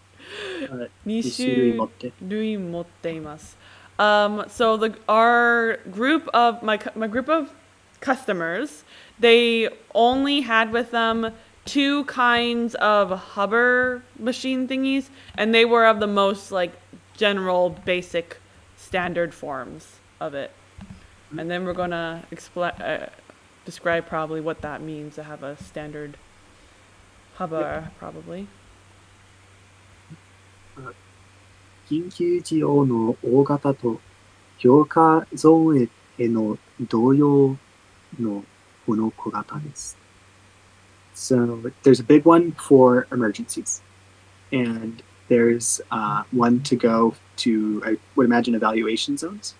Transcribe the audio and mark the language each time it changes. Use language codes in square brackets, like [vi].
[en] so our group of my group of customers, they only had with them two kinds of hover machine thingies, and they were of the most like general basic standard forms of it. And then we're gonna describe probably what that means to have a standard hover, probably. [ja] 緊急時用の大型と評価ゾーンへの同様のこの小型です。 [en] So there's a big one for emergencies, and there's one to go to, I would imagine, evaluation zones.